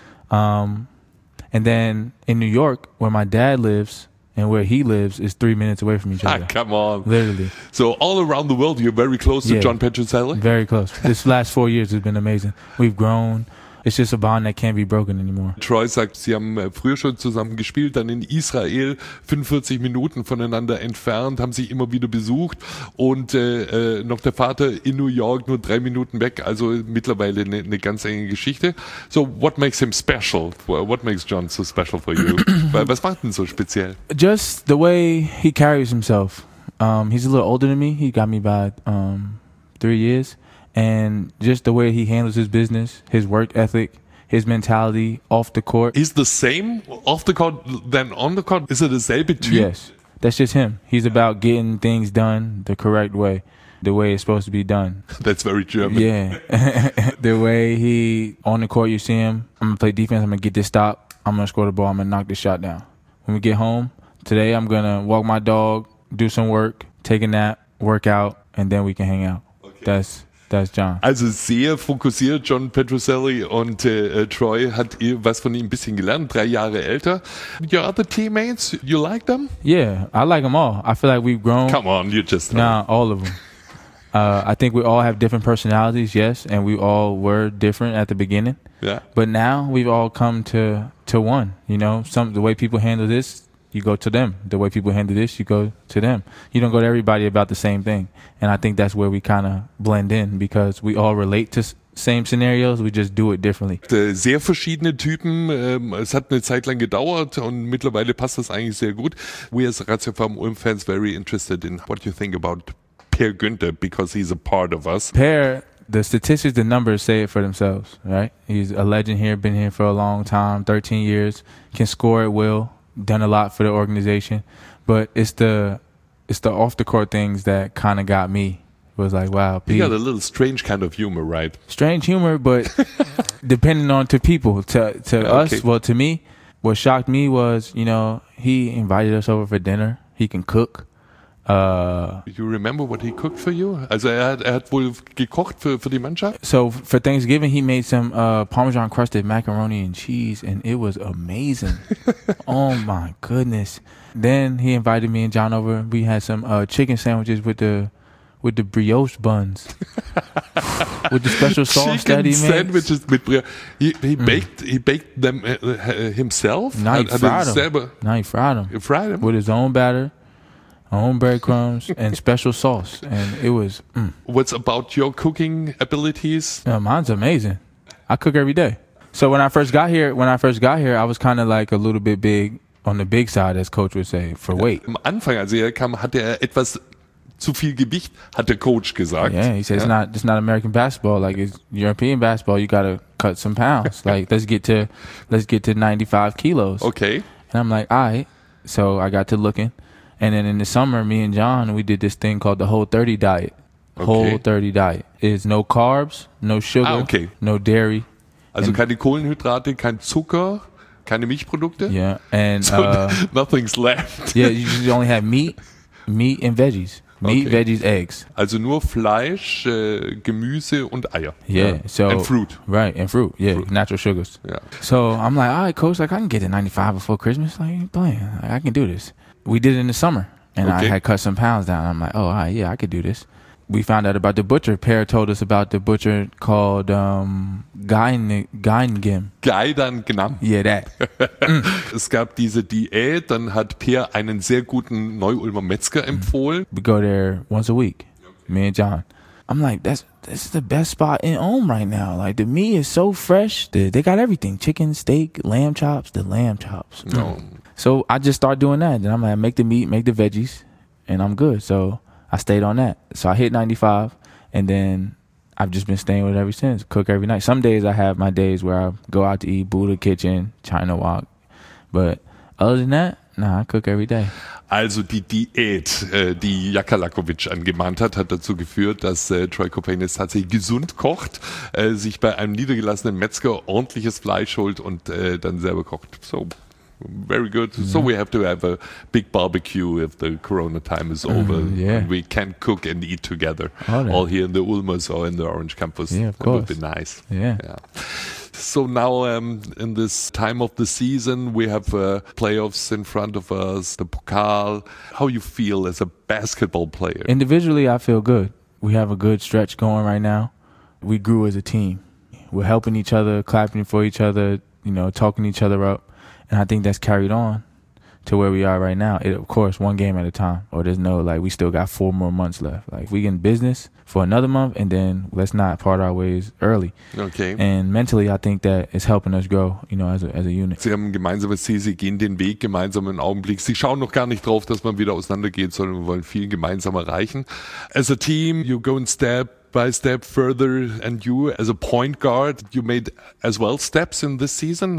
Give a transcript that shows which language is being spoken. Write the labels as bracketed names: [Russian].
[English] And then in New York, where my dad lives and where he lives, is 3 minutes away from each other. Ah, come on. Literally. So all around the world, you're very close to John Petrucelli? Very close. This last 4 years has been amazing. We've grown. It's just a bond that can't be broken anymore. [German] Troy sagt, sie haben früher schon zusammen gespielt, dann in Israel, 45 Minuten voneinander entfernt, haben sich immer wieder besucht und noch der Vater in New York, nur 3 Minuten weg, also mittlerweile eine ganz enge Geschichte. [English] So what makes him special? What makes John so special for you? [German] Was macht ihn so speziell? [English] Just the way he carries himself. He's a little older than me, he got me by 3 years. And just the way he handles his business, his work ethic, his mentality off the court. Is the same off the court than on the court? Is it the same between? Yes, that's just him. He's about getting things done the correct way, the way it's supposed to be done. That's very German. Yeah, the way he, on the court, you see him, I'm going to play defense, I'm going to get this stop, I'm going to score the ball, I'm going to knock this shot down. When we get home, today I'm going to walk my dog, do some work, take a nap, work out, and then we can hang out. Okay. That's John. [German] Also sehr fokussiert, John Petrucelli, und Troy hat was von ihm ein bisschen gelernt, 3 Jahre älter. [English] Your other teammates, you like them? Yeah, I like them all. I feel like we've grown. Come on, you just know. Nah, all of them. I think we all have different personalities, yes, and we all were different at the beginning. Yeah. But now we've all come to one, you know. The way people handle this, you go to them. The way people handle this, you go to them. You don't go to everybody about the same thing. And I think that's where we kind of blend in, because we all relate to same scenarios, we just do it differently. [German] Sehr verschiedene Typen. Es hat eine Zeit lang gedauert und mittlerweile passt das eigentlich sehr gut. [English] We as Ratio Farm Ulm fans very interested in what you think about Per Günther, because he's a part of us. Per, the statistics, the numbers say it for themselves, right? He's a legend here, been here for a long time, 13 years, can score at will. Done a lot for the organization, but it's the off the court things that kind of got me. It was like, wow, Pete. You got a little strange kind of humor, right? Strange humor, but depending on to people, to okay. Us, well, to me, what shocked me was, you know, he invited us over for dinner. He can cook. You remember what he cooked for you? [German] Also er hat wohl gekocht für die Mannschaft. [English] So for Thanksgiving he made some Parmesan crusted macaroni and cheese and it was amazing. Oh my goodness. Then he invited me and John over. We had some chicken sandwiches with the brioche buns. With the special sauce chicken that he made. Chicken sandwiches with brioche. He baked them himself? No, he fried them. He fried them? With his own batter. Own breadcrumbs and special sauce, and it was. What's about your cooking abilities? Yeah, mine's amazing. I cook every day. So when I first got here, I was kind of like a little bit big on the big side, as Coach would say, for weight. [German] Am Anfang, als er kam, hatte er etwas zu viel Gewicht, hat der Coach gesagt. [English] Yeah, he said it's not American basketball, like it's European basketball. You gotta cut some pounds. Like let's get to 95 kilos. Okay. And I'm like, all right. So I got to looking. And then in the summer, me and John, we did this thing called the Whole30 diet. Okay. Whole30 diet is no carbs, no sugar, no dairy. [German] Also keine Kohlenhydrate, kein Zucker, keine Milchprodukte. [English] Yeah, and so nothing's left. Yeah, you just only have meat and veggies. Meat, okay. Veggies, eggs. [German] Also nur Fleisch, Gemüse und Eier. [English] Yeah. So, and fruit. Right, and fruit. Yeah, fruit. Natural sugars. Yeah. So I'm like, all right, Coach, like I can get to 95 before Christmas. Like, playing. Like, I can do this. We did it in the summer, and okay. I had cut some pounds down. I'm like, oh, all right, yeah, I could do this. We found out about the butcher. Per told us about the butcher called Geidengim. Geidengim. Yeah, that. [German] Es gab diese Diät, dann hat Per einen sehr guten Neu-Ulmer Metzger empfohlen. [English] We go there once a week, me and John. I'm like, this is the best spot in Ulm right now. Like, the meat is so fresh. They got everything. Chicken, steak, lamb chops, the lamb chops. No. So I just start doing that. And I'm like, make the meat, make the veggies, and I'm good. So I stayed on that. So I hit 95, and then I've just been staying with it ever since. Cook every night. Some days I have my days where I go out to eat, Buddha Kitchen, China Walk. But other than that, nah, I cook every day. [German] Also die Diät, die Jakalakovic angemahnt hat, hat dazu geführt, dass Troy Copain es tatsächlich gesund kocht, sich bei einem niedergelassenen Metzger ordentliches Fleisch holt und dann selber kocht. [English] So. Very good. Yeah. So we have to have a big barbecue if the corona time is over. Yeah. And we can cook and eat together. All here in the Ulmers or in the Orange Campus. Yeah, of course. That would be nice. Yeah. So now in this time of the season, we have playoffs in front of us, the Pokal. How you feel as a basketball player? Individually, I feel good. We have a good stretch going right now. We grew as a team. We're helping each other, clapping for each other, you know, talking each other up. And I think that's carried on to where we are right now. It, of course, one game at a time. Or there's no, like, we still got 4 more months left. Like, we get in business for another month, and then let's not part our ways early. Okay. And mentally, I think that is helping us grow, you know, as a unit. [German] Sie haben ein gemeinsames Ziel. Sie gehen den Weg gemeinsam im Augenblick. Sie schauen noch gar nicht drauf, dass man wieder auseinandergeht, sondern wir wollen viel gemeinsam erreichen. [English] As a team, you go and step by step further, and you as a point guard, you made as well steps in this season.